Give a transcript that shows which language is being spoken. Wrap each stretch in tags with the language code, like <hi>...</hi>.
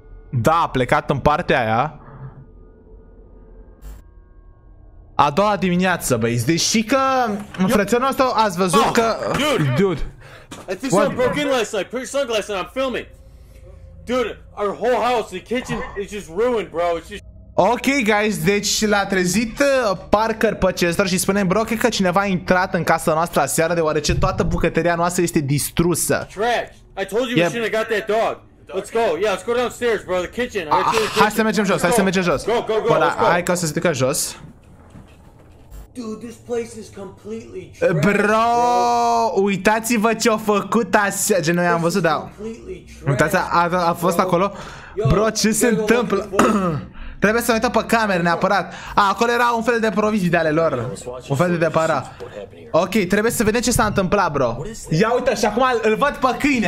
<ro>Da, a plecat în partea aia. A doua dimineață, băi. Deși că frățelul nostru ați văzut că</ro> <en>dude. I think someone broke in last night. Put your sunglasses on. I'm filming. Dude, our whole house, the kitchen is just ruined, bro. It's just</en> <ro>ok, guys, deci l-a trezit Parker pe Chester și spune, bro, cred că cineva a intrat în casa noastră aseară, deoarece toată bucătăria noastră este distrusă.</ro> <en>Trash! I told you we shouldn't have got that dog. Let's go. Yeah, let's go downstairs, bro, the kitchen.</en> <ro>Hai să mergem jos,</ro> <en>Go, go, go.</en> <ro>Hai că să se ducă jos.</ro> <en>Dude, this place is completely trash, bro.</en> <ro>Uitați-vă ce-a făcut aseară. Gen, noi am văzut, da. Uitați, a fost acolo. Bro, ce se întâmplă? Trebuie să ne uităm pe cameră, neapărat. Acolo era un fel de provizii de ale lor. Un fel de depara. Ok, trebuie să vedem ce s-a întâmplat, bro. Ia uite, și acum îl văd pe câine.</ro>